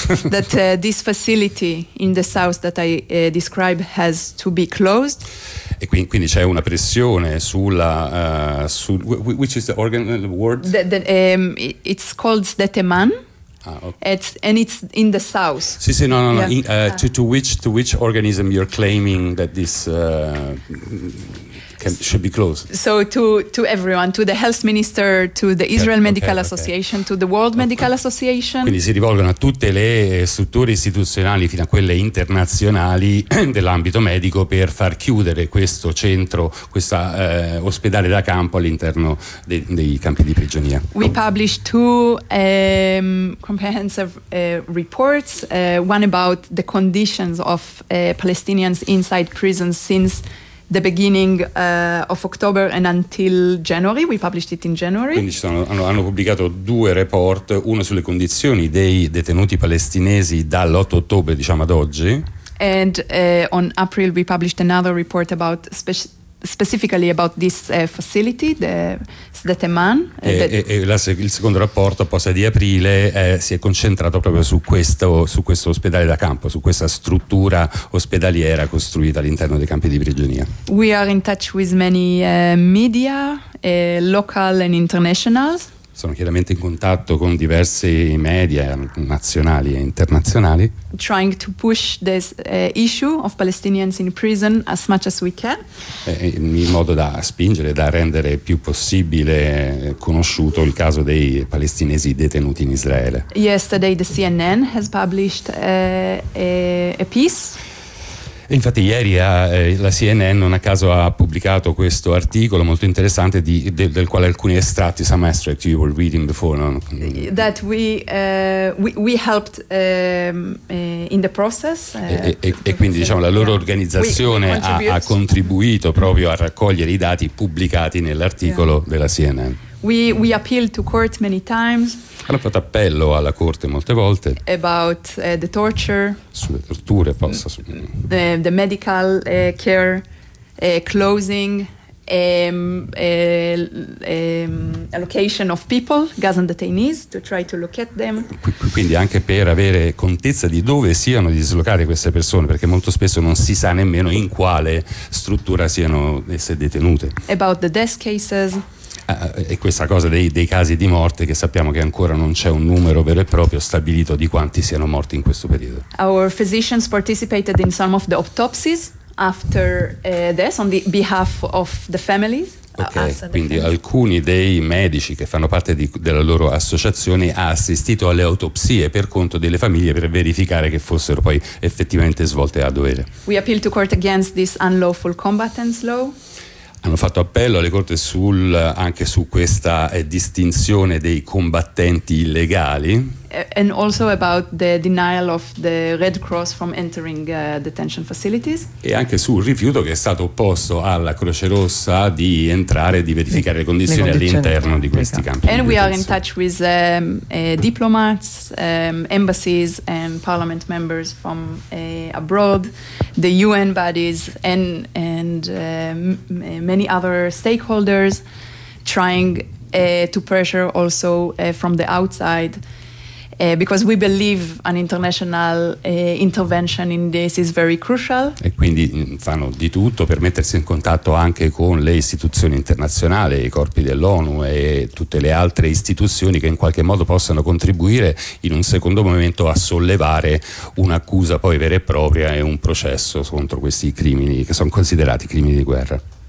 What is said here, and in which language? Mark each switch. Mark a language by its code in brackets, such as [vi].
[en] That this facility in the south that I describe has to be closed. [it] E quindi c'è una pressione sulla [en] which is the organ, the word? It's called Deteman. It's and it's in the south. [it] Sì, sì, no, no, no. Yeah. [en] To which organism you're claiming that this should be closed? So to everyone, to the health minister, to the Israel Medical Association, to the World Medical Association. [it] Quindi si rivolgono a tutte le strutture istituzionali, fino a quelle internazionali dell'ambito medico, per far chiudere questo centro, questa ospedale da campo all'interno dei campi di prigionia. [en] We published two comprehensive reports, one about the conditions of Palestinians inside prisons since the beginning of October and until January. We published it in January. [it] Quindi hanno pubblicato due report, uno sulle condizioni dei detenuti palestinesi dall'8 ottobre, diciamo, ad oggi. [en] And on April we published another report about specifically about this facility, the Sdeteman. [it] Il secondo rapporto, apposta di aprile, si è concentrato proprio su questo ospedale da campo, su questa struttura ospedaliera costruita all'interno dei campi di prigionia. [en] We are in touch with many media, local and international. [it] Sono chiaramente in contatto con diversi media nazionali e internazionali. [en] Trying to push this issue of Palestinians in prison as much as we can. [it] In modo da spingere, da rendere più possibile conosciuto il caso dei palestinesi detenuti in Israele. [en] Yesterday the CNN has published a piece. [it] Infatti ieri la CNN non a caso ha pubblicato questo articolo molto interessante del quale alcuni estratti, [en] some extract you were reading before, no? That we helped in the process. [it] E quindi diciamo la loro organizzazione ha contribuito proprio a raccogliere i dati pubblicati nell'articolo della CNN. [en] We appealed to court many times. [it] Hanno fatto appello alla corte molte volte. [en] About the torture. [it] Sulle torture, possa. [en] The medical care, closing, allocation of people, Gazan detainees, to try to locate them. [it] Quindi anche per avere contezza di dove siano dislocate queste persone, perché molto spesso non si sa nemmeno in quale struttura siano esse detenute. [en] About the death cases. [it] E questa cosa dei casi di morte, che sappiamo che ancora non c'è un numero vero e proprio stabilito di quanti siano morti in questo periodo. [en] Our physicians participated in some of the autopsies after death on the behalf of the families. [it] Okay, quindi alcuni dei medici che fanno parte della loro associazione ha assistito alle autopsie per conto delle famiglie per verificare che fossero poi effettivamente svolte a dovere. [en] We appeal to court against this unlawful combatants law. [it] Hanno fatto appello alle corti anche su questa distinzione dei combattenti illegali. [en] And also about the denial of the Red Cross from entering detention facilities. [it] E anche sul rifiuto che è stato opposto alla Croce Rossa di entrare e di verificare le condizioni all'interno di questi campi. [en] And we are in touch with diplomats, embassies and parliament members from abroad, the UN bodies and many other stakeholders, trying to pressure also from the outside. Because we believe an international intervention in this is very crucial. [it] E quindi fanno di tutto per mettersi in contatto anche con le istituzioni internazionali, i corpi dell'ONU e tutte le altre istituzioni che in qualche modo possano contribuire in un secondo momento a sollevare un'accusa poi vera e propria e un processo contro questi crimini che sono considerati crimini di guerra.